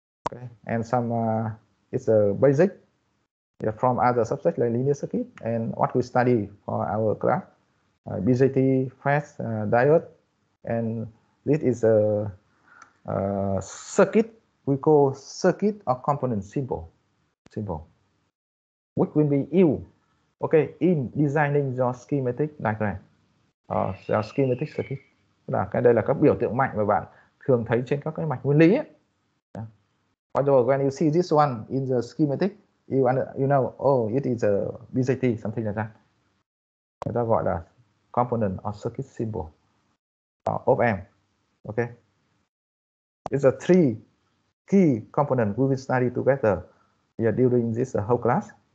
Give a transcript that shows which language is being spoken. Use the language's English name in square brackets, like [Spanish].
[English] Okay, and some it's a basic from other subjects like linear circuit and what we study for our class, BJT, FETs, diode, and this is a circuit we call circuit or component symbol. Which will be you, okay, in designing your schematic diagram, your schematic circuit. [Vietnamese] Là cái đây là các biểu tượng mạch mà bạn thường thấy trên các cái mạch nguyên lý. [English] For example, when you see this one in the schematic, you know, oh, it is a BJT, something like that. [Vietnamese] Người ta gọi là [English] component or circuit symbol, op-amp, okay. It's a three key component we will study together during this whole class.